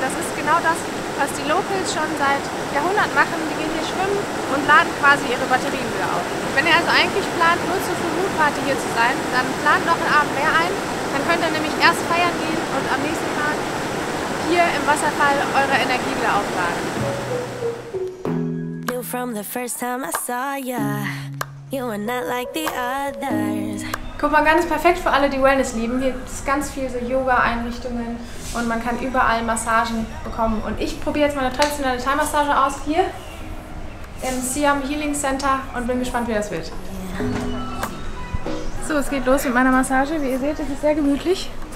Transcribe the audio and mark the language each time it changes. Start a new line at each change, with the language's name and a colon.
German: Das ist genau das, was die Locals schon seit Jahrhunderten machen. Die gehen hier schwimmen und laden quasi ihre Batterien wieder auf. Wenn ihr also eigentlich plant, nur zur Full-Moon-Party hier zu sein, dann plant noch einen Abend mehr ein. Dann könnt ihr nämlich erst feiern gehen und am nächsten Tag hier im Wasserfall eure Energie wieder aufladen.
English: Knew from the first time I saw ya, you were not like the others.
German: Koh Phangan ist perfekt für alle, die Wellness lieben. Hier gibt es ganz viele so Yoga-Einrichtungen und man kann überall Massagen bekommen. Und ich probiere jetzt meine traditionelle Thai-Massage aus hier im Siam Healing Center und bin gespannt, wie das wird. So, es geht los mit meiner Massage. Wie ihr seht, es ist sehr gemütlich.